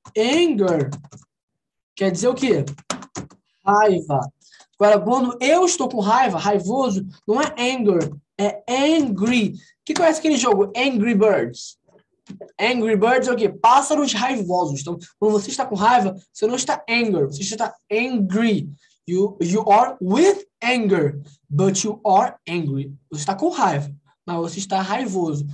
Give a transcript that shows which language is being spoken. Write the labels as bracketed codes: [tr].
[pt] Anger quer dizer o quê? Raiva. Agora, quando eu estou com raiva, raivoso, não é anger, é angry. Que conhece aquele jogo? Angry Birds. Angry Birds é o quê? Pássaros raivosos. Então, quando você está com raiva, você não está anger, você está angry. [en] You are with anger, but you are angry. [pt] Você está com raiva, mas você está raivoso.